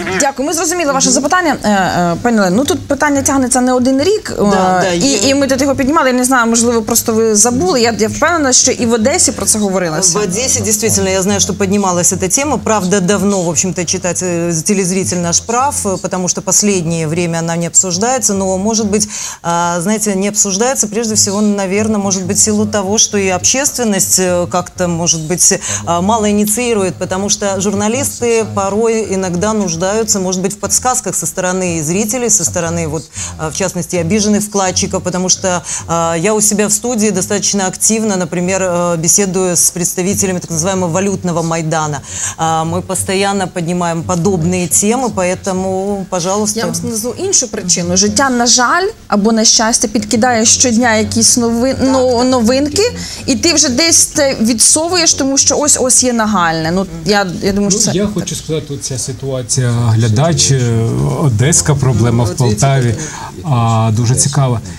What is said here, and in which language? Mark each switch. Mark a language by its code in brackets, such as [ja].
[uk] Дякую, ми зрозуміли ваше запитання. Пані Лен, ну тут питання тягнеться не один рік, і ми тут його піднімали. Я не знаю, можливо, просто ви забули. Я впевнена, що і в Одесі про це говорилося. В Одесі, дійсно, я знаю, що піднімалася ця тема. [ru] Правда, давно, в общем-то, читать телезритель наш прав, потому что последнее время она не обсуждается. Но, может быть, знаете, не обсуждается, прежде всего, наверное, может быть, в силу того, что и общественность как-то, может быть, мало инициирует, потому что журналист порой иногда нуждаются, может быть, в подсказках со стороны зрителей, со стороны, вот, в частности, обиженных вкладчиков, потому что я у себя в студии достаточно активно, например, беседую с представителями так называемого валютного Майдана. Мы постоянно поднимаем подобные темы, поэтому, пожалуйста. [uk] Я вам назову іншу причину. Життя, на жаль, або на щастя, підкидає щодня якісь новинки, і ти вже десь це відсовуєш, тому що ось є нагальне. Ну, я думаю, що це... Я хочу сказати, оця ситуація глядач, одеська проблема в Полтаві, дуже цікава.